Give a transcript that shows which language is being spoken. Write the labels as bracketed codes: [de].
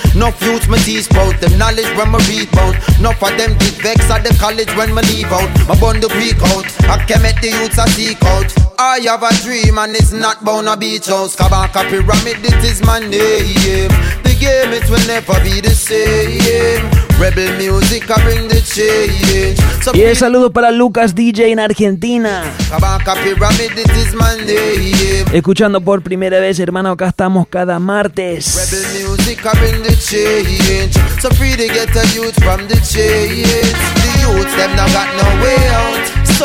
[en] Enough youth my teeth sprout, them knowledge when my read bout. Enough of them did vex at the college when my leave out. My bond the Greek out, I came at the youths I seek out. I have a dream and it's not bound a beach house. Kabaka Pyramid, it is my name. The game it will never be the same. Rebel music, I bring the change. [es] So y el saludo para Lucas DJ en Argentina. [en] Kabaka Pyramid, it is my name. [es] Escuchando por primera vez, hermano, acá estamos cada martes. [en] Rebel music, I bring the change. So free to get a youth from the change. The youths, them now got no way out.